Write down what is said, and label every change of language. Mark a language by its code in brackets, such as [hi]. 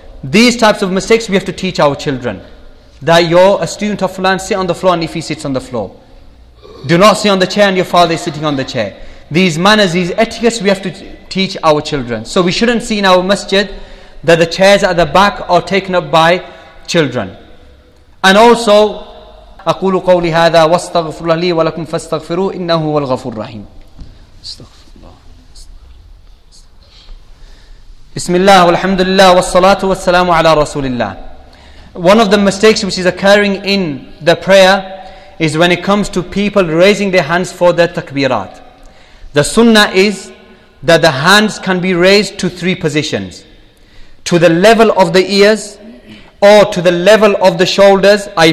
[en] These types of mistakes we have to teach our children. That you're a student of fulan, sit on the floor, and if he sits on the floor, do not sit on the chair and your father is sitting on the chair. These manners, these etiquettes we have to teach our children. So we shouldn't see in our masjid that the chairs at the back are taken up by children. And also, [ar] أَقُولُ قَوْلِ هَذَا وَاسْتَغْفِرُ لِي وَلَكُمْ فَاسْتَغْفِرُوا إِنَّهُ هُوَ الْغَفُورُ الرَّحِيمُ. بسم الله والحمد لله والصلاة والسلام على رسول الله. [en] One of the mistakes which is occurring in the prayer is when it comes to people raising their hands for the takbirat. The sunnah is that the hands can be raised to three positions: to the level of the ears, or to the level of the shoulders, i.e.